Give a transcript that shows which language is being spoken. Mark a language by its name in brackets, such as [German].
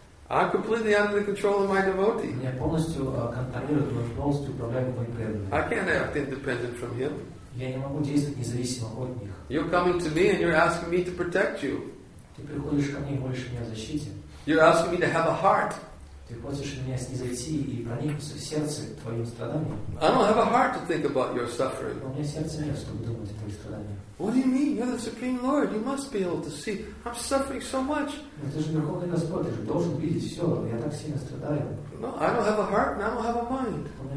[English] I'm completely under the control of my devotee. [Russian] Я полностью контролирую, полностью управляю моим преданным. [English] I can't act independent from him. [Russian] Я не могу действовать независимо от них. [English] You're coming to me and you're asking me to protect you. [Russian] Ты приходишь ко мне и просишь меня о защите. [English] You're asking me to have a heart. [Russian] Ты просишь меня снизойти и проникнуться в сердце твоим страданием. [English] I don't have a heart to think about your suffering. [Russian] У меня сердце нет, чтобы думать о твоих страданиях. [English] What do you mean? You're the Supreme Lord. You must be able to see. I'm suffering so much. No, I don't have a heart and I don't have a mind.